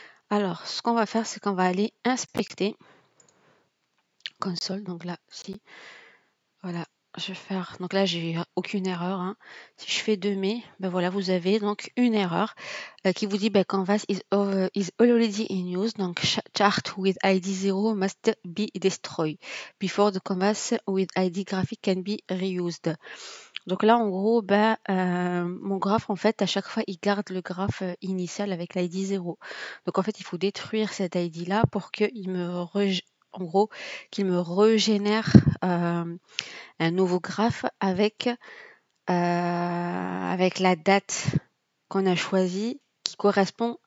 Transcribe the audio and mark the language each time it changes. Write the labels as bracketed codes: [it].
[fr] Alors, ce qu'on va faire, c'est qu'on va aller inspecter console. Donc là, si, voilà, je vais faire. Donc là, j'ai aucune erreur. Hein. Si je fais 2 mai, voilà, vous avez donc une erreur qui vous dit [en] Canvas is already in use. Donc, chart with ID 0 must be destroyed before the canvas with ID graphic can be reused. [fr] Donc là, en gros, mon graphe, en fait, à chaque fois, il garde le graphe initial avec l'ID 0. Donc, en fait, il faut détruire cette ID-là pour qu'il me rejette. En gros, qu'il me régénère un nouveau graphe avec la date qu'on a choisie qui correspond